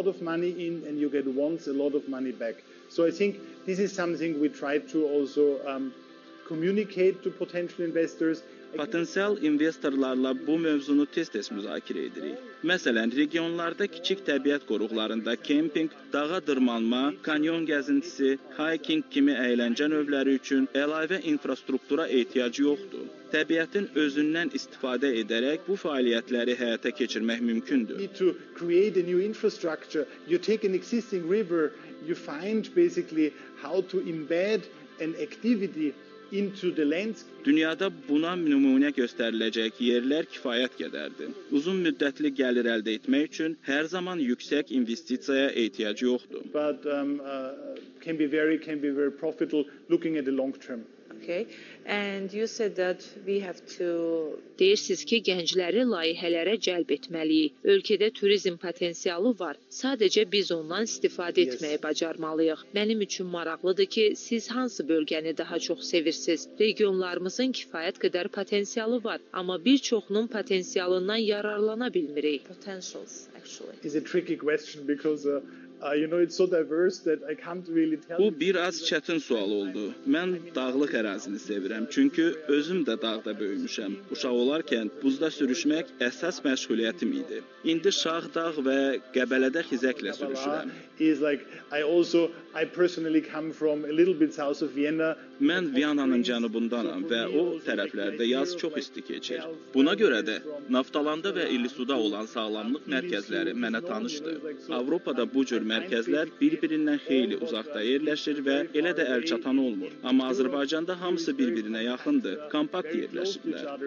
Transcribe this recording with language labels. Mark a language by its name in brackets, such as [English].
[English] So I think this is something we try to also communicate to potential investors. [Azerbaijani] Potensial investorlarla bu mövzunu tez-tez müzakirə edirik. Məsələn, regionlarda kiçik təbiət qoruqlarında kemping, dağa dırmanma, kanyon gəzintisi, hiking kimi əyləncə növləri üçün əlavə infrastruktura ehtiyac yoxdur. Təbiətin özündən istifadə edərək bu fəaliyyətləri həyata keçirmək mümkündür. [English] You need to create a new infrastructure. You take an existing river, you find basically how to embed an activity into the landscape. [Azerbaijani] Dünyada buna nümunə göstəriləcək yerlər kifayət qədərdir. Uzun müddətli gəlir əldə etmək üçün hər zaman yüksək investisiyaya ehtiyac yoxdur. [English] But can be very profitable looking at the long term. Okay. And you said that we have to [Azerbaijani] deyirsiz ki gəncləri layihələrə cəlb etməliyik. Ölkədə turizm potensialı var. Sadəcə biz ondan istifadə etməyi bacarmalıyıq. Mənim üçün maraqlıdır ki, siz hansı bölgəni daha çox sevirsiniz? Regionlarımızın kifayət qədər potensialı var, amma bir çoxunun potensialından yararlana bilmirik. [English] Potentials actually. It's a tricky question because you know, it's so diverse that I can't really tell. [Azerbaijani] Bu bir az çətin sual oldu. Mən dağlıq ərazini sevirəm, çünki özüm də dağda böyümüşəm. Uşaq olarkən buzda sürüşmək əsas məşğuliyyətim idi. İndi Şah dağ və Qəbələdə xizəklə sürüşürəm. [English] Is like I personally come from a little bit south of Vienna. [Azerbaijani] Mən Viyananın cənubundanam və o tərəflərdə yaz çox isti keçir. Buna görə də Naftalanda və İllisuda olan sağlamlıq mərkəzləri mənə tanışdı. Avropada bu cür mərkəzlər bir-birindən xeyli uzaqda yerləşir və elə də əl çatan olmur. Amma Azərbaycanda hamısı bir-birinə yaxındır, kompakt yerləşiblər.